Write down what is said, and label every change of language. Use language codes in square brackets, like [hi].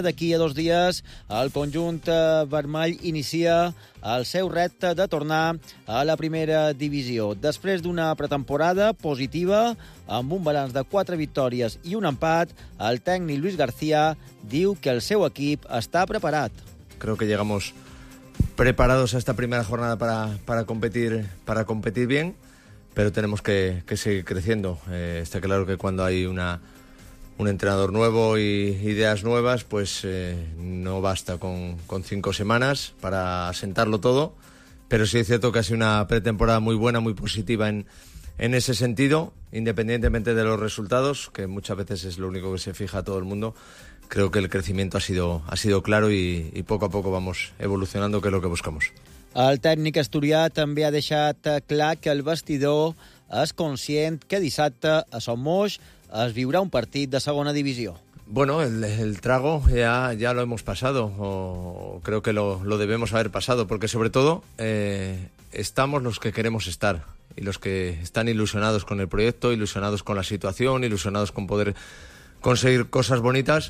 [ca] D'aquí a dos dies el conjunt vermell inicia el seu repte de tornar a la primera divisió. Després d'una pretemporada positiva, amb un balanç de 4 victòries i un empat, el tècnic Luis García diu que el seu equip està preparat. [es] Creo que llegamos preparados a esta primera jornada para competir bien. Pero tenemos que seguir creciendo. Está claro que cuando hay un entrenador nuevo y ideas nuevas, pues no basta con 5 semanas para asentarlo todo. Pero sí es cierto que ha sido una pretemporada muy buena, muy positiva en ese sentido, independientemente de los resultados, que muchas veces es lo único que se fija a todo el mundo. Creo que el crecimiento ha sido claro y poco a poco vamos evolucionando, que es lo que buscamos. [ca] El tècnic asturià també ha deixat clar que el vestidor és conscient que dissabte a Son Moix es viurà un partit de segona divisió. [es] Bueno, el trago ya lo hemos pasado, o creo que lo debemos haber pasado, porque sobre todo estamos los que queremos estar y los que están ilusionados con el proyecto, ilusionados con la situación, ilusionados con poder conseguir cosas bonitas.